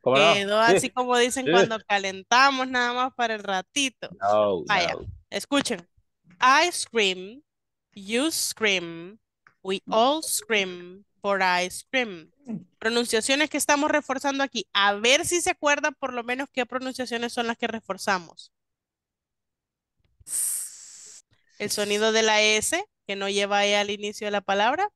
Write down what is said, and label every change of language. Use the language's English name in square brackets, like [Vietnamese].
[Spanish] Quedó así, sí, como dicen, sí, cuando calentamos nada más para el ratito. Vaya, escuchen. [English] Ice cream, you scream, we all scream for ice cream. [Spanish] Pronunciaciones que estamos reforzando aquí. A ver si se acuerdan por lo menos qué pronunciaciones son las que reforzamos. El sonido de la S que no lleva E al inicio de la palabra.